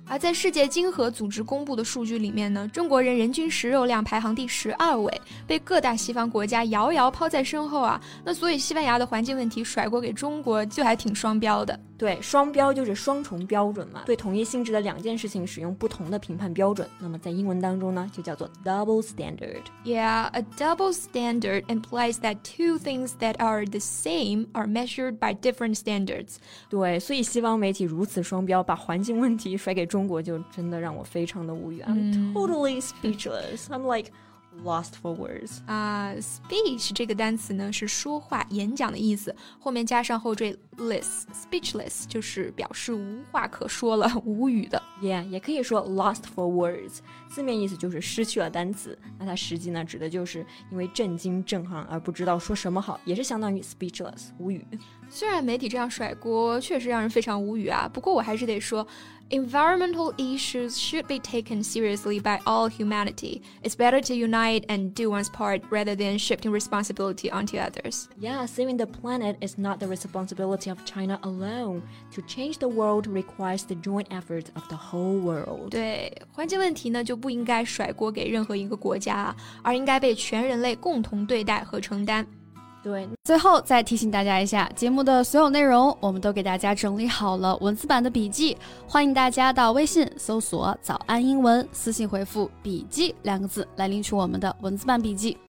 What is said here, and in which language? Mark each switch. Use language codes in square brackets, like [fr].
[zh] 而在世界经合组织公布的数据里面呢，中国人人均食肉量排行第12位，被各大西方国家遥遥抛在身后啊。那所以西班牙的环境问题甩锅给中国就还挺双标的。对，双标就是双重标准嘛，对同一性质的两件事情使用不同的评判标准，那么在英文当中呢就叫做 double standard。 [en] Yeah, a double standard implies that two things that are the same are measured by different standards. [zh] 对，所以西方媒体如此双标，把环境问题甩给中国，就真的让我非常的无语。 [en] I'm totally speechless. I'm like lost for words. [zh] Speech 这个单词呢是说话演讲的意思，后面加上后缀 less, speechless 就是表示无话可说了，无语的。 Yeah, 也可以说 [en] lost for words, [zh] 字面意思就是失去了单词，那它实际呢指的就是因为震惊震撼而不知道说什么好，也是相当于 speechless, 无语。虽然媒体这样甩锅确实让人非常无语啊，不过我还是得说 [en] Environmental issues should be taken seriously by all humanity. It's better to unite and do one's part rather than shifting responsibility onto others. Yeah, saving the planet is not the responsibility of China alone. To change the world requires the joint efforts of the whole world. [zh] 对，环境问题呢就不应该甩锅给任何一个国家，而应该被全人类共同对待和承担。对，最后再提醒大家一下，节目的所有内容我们都给大家整理好了文字版的笔记，欢迎大家到微信搜索早安英文，私信回复笔记两个字来领取我们的文字版笔记。